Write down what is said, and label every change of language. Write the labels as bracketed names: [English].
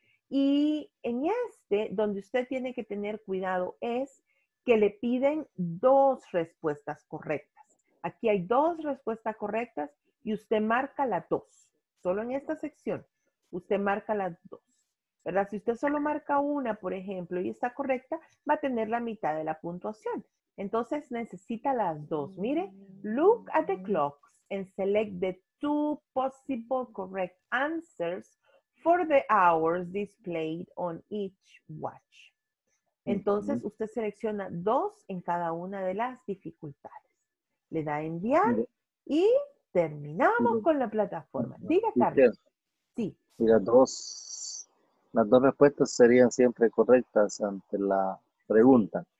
[Spanish] Y en este, donde usted tiene que tener cuidado es que le piden dos respuestas correctas. Aquí hay dos respuestas correctas y usted marca las dos. Solo en esta sección, usted marca las dos, ¿verdad? Si usted solo marca una, por ejemplo, y está correcta, va a tener la mitad de la puntuación. Entonces, necesita las dos. Mire, [English] look at the clocks and select the two possible correct answers for the hours displayed on each watch. [Spanish] Entonces, usted selecciona dos en cada una de las dificultades. Le da a enviar y terminamos con la plataforma. Diga, Carlos. Sí. Y las dos respuestas serían siempre correctas ante la pregunta.